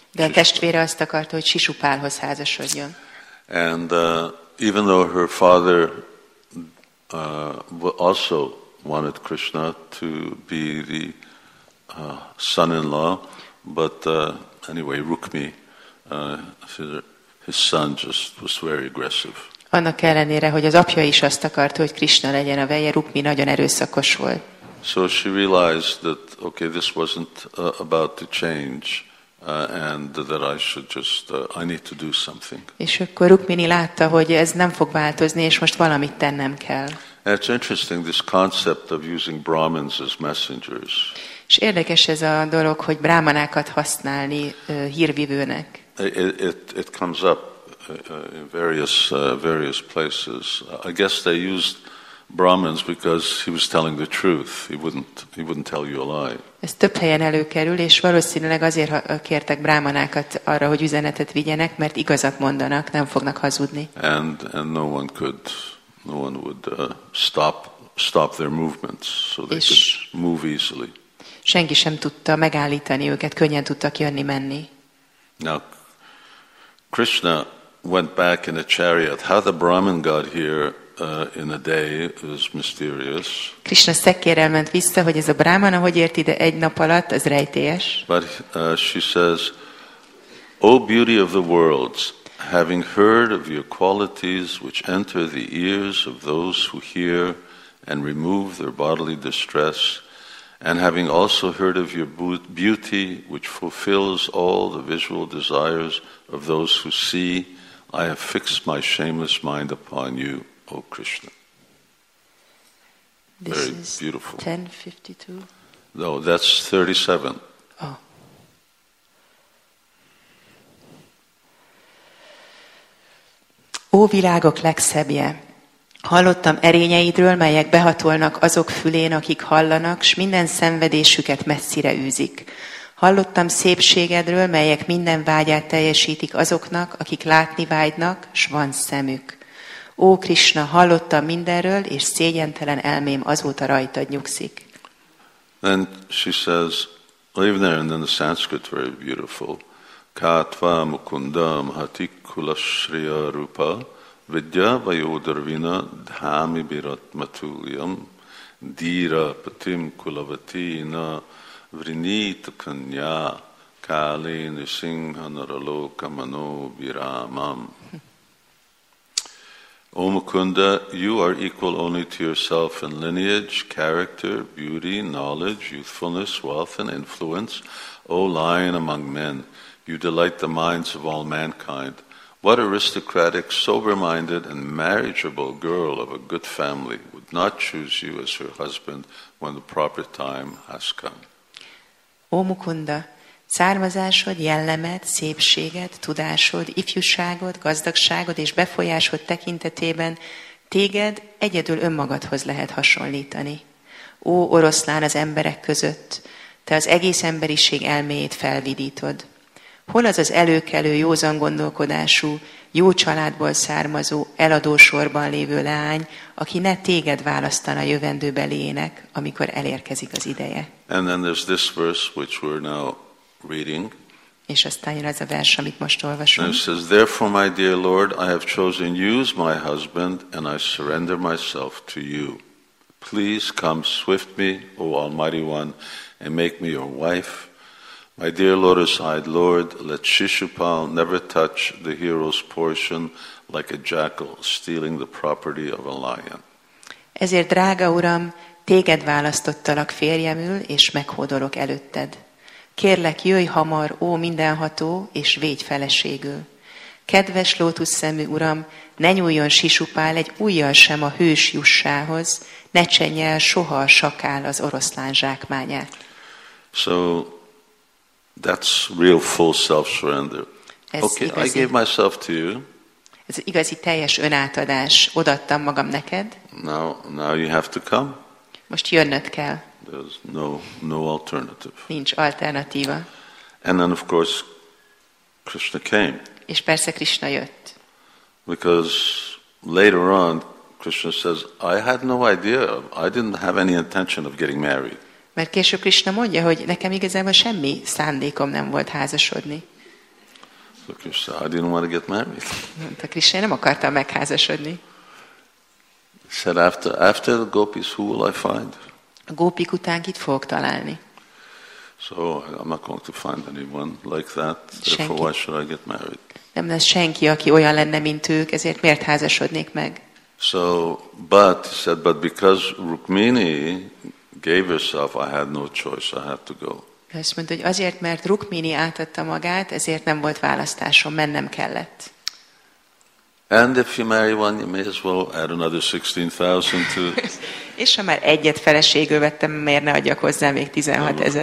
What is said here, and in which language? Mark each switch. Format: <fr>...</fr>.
<hu>De a testvére azt akarta, hogy Shishupalhoz házasodjon.</hu> <en>And even though her father also wanted Krishna to be the son-in-law, but anyway, Rukmi, his son just was very aggressive.</en> <hu>Annak ellenére, hogy az apja is azt akarta, hogy Krishna legyen a veje, Rukmi nagyon erőszakos volt.</hu> <en>So she realized that, okay, this wasn't about to change, and that I should just, I need to do something.</en> <hu>És akkor Rukmini látta, hogy ez nem fog változni, és most valamit tennem kell.</hu> <en>It's interesting, this concept of using Brahmins as messengers.</en> <hu>És érdekes ez a dolog, hogy brámanákat használni hírvivőnek.</hu> <en>It comes up in various places. I guess they used Brahmins because he was telling the truth. He wouldn't tell you a lie.</en> <hu>Ez több helyen előkerül, és valószínűleg azért kértek brámanákat arra, hogy üzenetet vigyenek, mert igazat mondanak, nem fognak hazudni.</hu> <en>And no one could, no one would stop their movements, so they could move easily.</en> <hu>Senki sem tudta megállítani őket, könnyen tudtak jönni menni.</hu> <en>Now, Krishna went back in a chariot. How the Brahmin got here in a day is mysterious.</en> <hu>Krishna szekérrel ment vissza, hogy ez a Brahman, ahogy ért ide egy nap alatt, az rejtélyes.</hu> <en>But she says, O beauty of the worlds, having heard of your qualities which enter the ears of those who hear and remove their bodily distress, and having also heard of your beauty, which fulfills all the visual desires of those who see, I have fixed my shameless mind upon you, O Krishna. This very beautiful. 1052? No, that's 37. Oh.</en> <hu>Ó, világok legszebbje! Hallottam erényeidről, melyek behatolnak azok fülén, akik hallanak, s minden szenvedésüket messzire űzik. Hallottam szépségedről, melyek minden vágyát teljesítik azoknak, akik látni vágynak, s van szemük. Ó, Krishna, hallottam mindenről, és szégyentelen elmém azóta rajtad nyugszik.</hu> <en>Then she says, live there, and then the Sanskrit, very beautiful.</en> <sa>Kátvá mukundam hatikulasriya rupa. Vidya vayodarvina dhami biratmatulyam dira patim kulavati na vrinita kanya kali nisingha naraloka mano biramam.</sa> <en>O Mukunda, you are equal only to yourself in lineage, character, beauty, knowledge, youthfulness, wealth, and influence. O lion among men, you delight the minds of all mankind. What aristocratic, sober-minded, and marriageable girl of a good family would not choose you as her husband when the proper time has come?</en> <hu>Ó Mukunda, származásod, jellemed, szépséged, tudásod, ifjúságod, gazdagságod és befolyásod tekintetében téged egyedül önmagadhoz lehet hasonlítani. Ó oroszlán az emberek között, te az egész emberiség elméjét felvidítod. Hol az az előkelő, józan gondolkodású, jó családból származó, eladó sorban lévő leány, aki ne téged választana jövendőbeliének, amikor elérkezik az ideje?</hu> <en>And then there's this verse, which we're now reading.</en> <hu>És aztán jön ez a vers, amit most olvasunk.</hu> <en>And it says, therefore, my dear Lord, I have chosen you as my husband, and I surrender myself to you. Please come swift me, O Almighty One, and make me your wife. My dear lotus-eyed Lord, let Shishupal never touch the hero's portion like a jackal stealing the property of a lion.</en> <hu>Ezért, drága uram, téged választottalak férjemül, és meghódolok előtted. Kérlek, jöjj hamar, ó mindenható, és védj feleségül. Kedves lótuszszemű uram, ne nyúljon Shishupal egy ujjal sem a hős jussához, ne csenj el soha a sakál az oroszlán zsákmányát.</hu> <en>So, that's real full self-surrender.</en> <hu>Ez</hu> <en>okay,</en> <hu>igazi,</hu> <en>I gave myself to you.</en> <hu>Ez igazi teljes önátadás. Odaadtam magam neked.</hu> <en>Now you have to come.</en> <hu>Most jönnöd kell.</hu> <en>There's no alternative.</en> <hu>Nincs alternatíva.</hu> <en>And then of course Krishna came.</en> <hu>És persze Krishna jött.</hu> <en>Because later on Krishna says, I had no idea. I didn't have any intention of getting married.</en> <hu>Mert később Krishna mondja, hogy nekem igazából semmi szándékom nem volt házasodni.</hu> <en>So Krishna, I didn't want to get married.</en> <hu>Mondta Krishna, nem akartam megházasodni.</hu> <en>He said, after the gopis, who will I find?</en> <hu>A gópik után kit fogok találni?</hu> <en>So I'm not going to find anyone like that. Therefore,</en> <hu>senki.</hu> <en>Why should I get married?</en> <hu>Nem lesz senki, aki olyan lenne, mint ők, ezért miért házasodnék meg?</hu> <en>So, but, he said, but because Rukmini gave herself, I had no choice, I had to go.</en> <hu>Azt mondta, hogy azért, mert Rukmini átadta magát, ezért nem volt választásom, mennem kellett.</hu> <en>And if you marry one, you may as well add another 16,000 to.</en> <hu>És ha már egyet feleségül vettem, miért ne adjak hozzá még 16,000?</hu>